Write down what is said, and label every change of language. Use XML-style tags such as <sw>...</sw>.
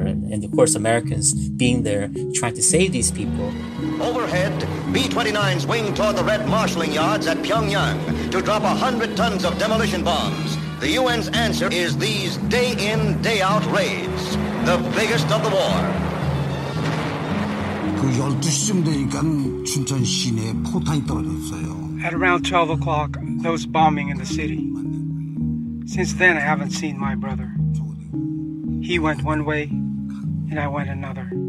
<en>And of course, Americans being there trying to save these people. Overhead, B-29s wing toward the Red Marshalling Yards at Pyongyang to drop 100 tons of demolition bombs. The UN's answer is these day-in, day-out raids. The biggest of the war.</en> <ko>12시쯤 되니까 춘천 시내에 포탄이 떨어졌어요.</ko> <en>At around 12 o'clock, there was bombing in the city. Since then, I haven't seen my brother. He went one way, and I went another.</en>